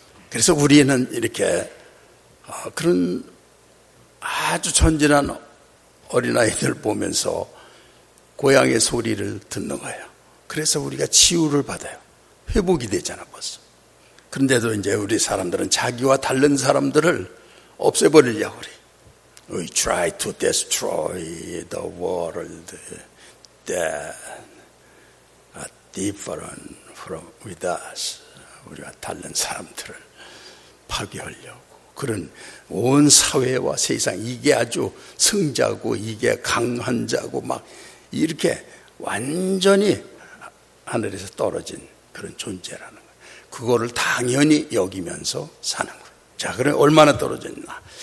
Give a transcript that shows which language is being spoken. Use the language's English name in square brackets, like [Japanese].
[Korean] 그래서 우리는 이렇게 그런 아주 천진한 어린아이들 보면서 고향의 소리를 듣는 거예요. 그래서 우리가 치유를 받아요. 회복이 되잖아, 벌써. 그런데도 이제 우리 사람들은 자기와 다른 사람들을 없애버리려고 그래. [English] We try to destroy the world that are different from with us. [Korean] 우리가 다른 사람들을 파괴하려고. 그런 온 사회와 세상, 이게 아주 승자고, 이게 강한 자고, 막, 이렇게 완전히 하늘에서 떨어진 그런 존재라는 거예요. 그거를 당연히 여기면서 사는 거예요. 자, 그럼 얼마나 떨어졌나.